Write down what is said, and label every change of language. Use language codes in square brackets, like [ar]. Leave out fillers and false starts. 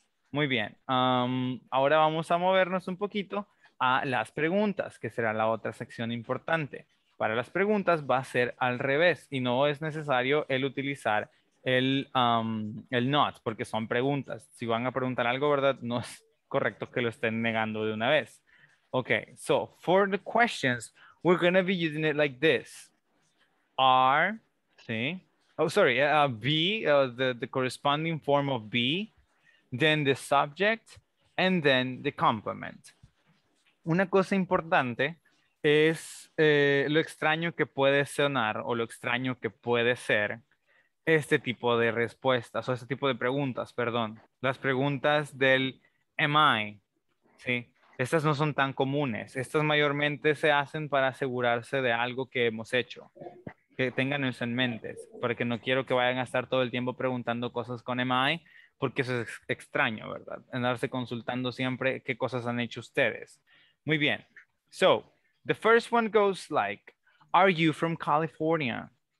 [es] Muy bien, ahora vamos a movernos un poquito a las preguntas, que será la otra sección importante. Para las preguntas va a ser al revés, y no es necesario el utilizar el not, porque son preguntas. Si van a preguntar algo, ¿verdad? No es correcto que lo estén negando de una vez. [en] Ok, so for the questions, we're going to be using it like this. Are, ¿sí? Oh, sorry, be, the corresponding form of be, then the subject, and then the complement. [es] Una cosa importante es lo extraño que puede sonar o lo extraño que puede ser este tipo de respuestas o este tipo de preguntas, perdón. Las preguntas del am I, ¿sí? Estas no son tan comunes. Estas mayormente se hacen para asegurarse de algo que hemos hecho. Que tengan eso en mente. Porque no quiero que vayan a estar todo el tiempo preguntando cosas con am I, porque eso es extraño, ¿verdad? Andarse consultando siempre qué cosas han hecho ustedes. Muy bien. [en] So, the first one goes like, are you from California?